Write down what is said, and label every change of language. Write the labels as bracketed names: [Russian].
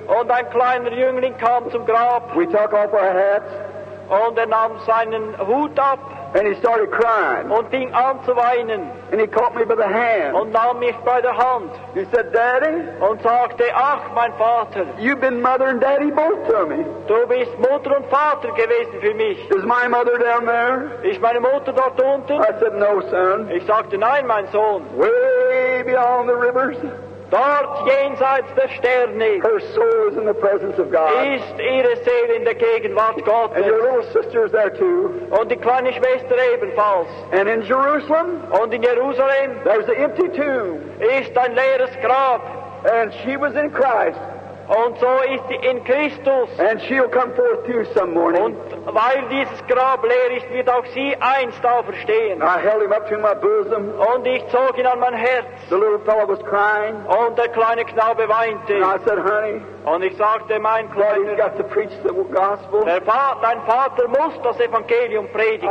[German] Und ein kleiner Jüngling kam zum Grab. [English] We took off our hats. [German] Und er nahm seinen Hut ab. [English] And he started crying. [German] Und fing an zu weinen. [English] And he caught me by the hand. [German] Und nahm mich bei der Hand. [English] He said, Daddy. [German] Und sagte, ach, mein Vater. [English] You've been mother and daddy both to me. [German] Du bist Mutter und Vater gewesen für mich. [English] Is my mother down there? [German] Ist meine Mutter dort unten? [English] I said, no, son. [German] Ich sagte, nein, mein Sohn. [English] Way beyond the rivers. [German] Dort jenseits der Sterne. [English] Her soul is in the presence of God. [German] Ist ihre Seele in der Gegenwart Gottes. [English] And your little sister is there too. [German] Und die kleine Schwester ebenfalls. [English] And in Jerusalem. [German] Und in Jerusalem. [English] There's an empty tomb. [German] Ist ein leeres Grab. [English] And she was in Christ. [German] Und so ist sie in Christus. [English] And she'll come forth to you some morning. [German] Und weil dieses Grab leer ist, wird auch sie einst auferstehen. [English] I held him up to my bosom. [German] Und ich zog ihn an mein Herz. [English] The little fellow was crying. [German] Und der kleine Knabe weinte. [English] And I said, honey. [German] Und ich sagte, mein Kleiner. [English] Daddy's got to preach the gospel. [German] Dein Vater muss das Evangelium predigen.